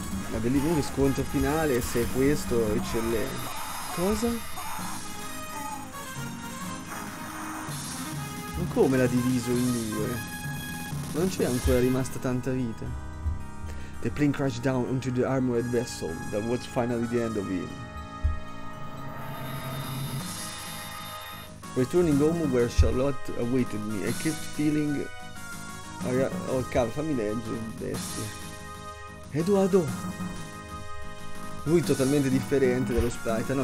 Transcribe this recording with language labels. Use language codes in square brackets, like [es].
[it] Ma del livello scontro finale, se è questo, eccellente. Cosa? Come l'ha diviso in due? Non c'è ancora rimasta tanta vita. [en] The plane crashed down onto the armored vessel. That was finally the end of him. Returning home where Charlotte awaited me, I kept feeling... [it] Oh, cavolo, fammi leggere, bestia. Eduardo! Lui è totalmente differente dallo sprite.